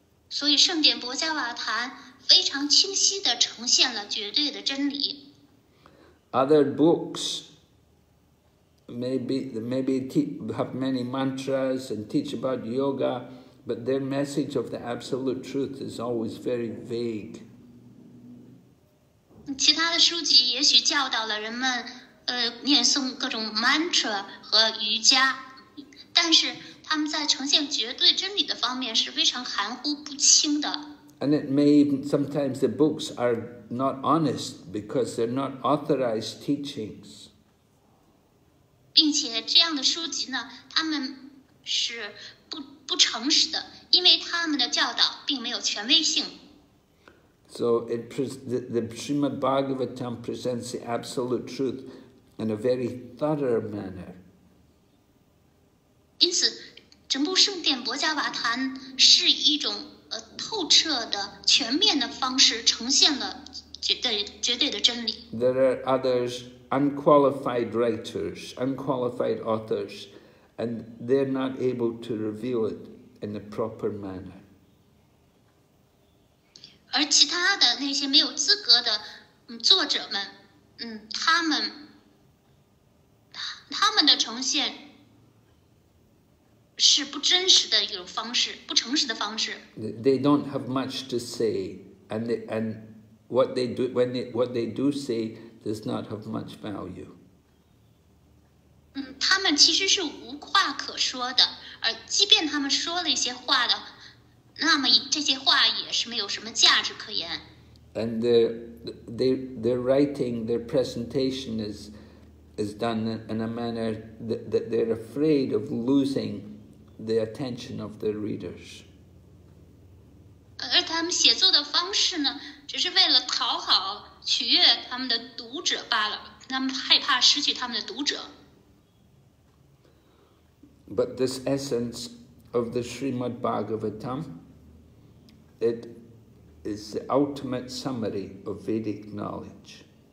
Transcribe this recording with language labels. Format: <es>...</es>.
<en>So, the Srimad Bhagavatam very clearly presents the absolute truth. Other books maybe have many mantras and teach about yoga, but their message of the absolute truth is always very vague.</en> <zh>其他的书籍也许教导了人们念诵各种 mantra 和瑜伽，但是他们在呈现绝对真理的方面是非常含糊不清的。</zh> <en>And it may even, sometimes the books are not honest because they're not authorized teachings.</en> <zh>并且这样的书籍呢，他们是不诚实的，因为他们的教导并没有权威性。</zh> <en>So the Srimad Bhagavatam presents the absolute truth in a very thorough manner.</en> <zh>因此，整部圣典波加瓦坛是一种透彻的、全面的方式呈现了绝对的真理。</zh> <en>There are others, unqualified writers, unqualified authors, and they're not able to reveal it in a proper manner.</en> <zh>而其他的那些没有资格的作者们，他们的呈现是不真实的一种方式，不诚实的方式。</zh> <en>They don't have much to say, and what they do when they, what they do say does not have much value.</en> <zh>他们其实是无话可说的，而即便他们说了一些话的，那么这些话也是没有什么价值可言。</zh> <en>and their writing, their presentation is done in a manner that they're afraid of losing the attention of their readers.</en> <zh>而他们写作的方式呢，只是为了讨好取悦他们的读者罢了，他们害怕失去他们的读者。</zh> <en>But this essence of the Srimad Bhagavatam, it is the ultimate summary of Vedic knowledge.</en>